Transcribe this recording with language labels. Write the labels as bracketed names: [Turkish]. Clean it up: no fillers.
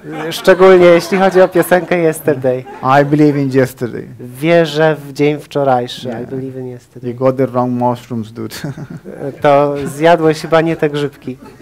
[Polish] Szczególnie jeśli chodzi o piosenkę Yesterday. [English] I believe in yesterday. [Polish] Wierzę w dzień wczorajszy. [English] Yeah. I believe in yesterday. You got the wrong mushrooms, dude. [Polish] To zjadłeś chyba nie te grzybki.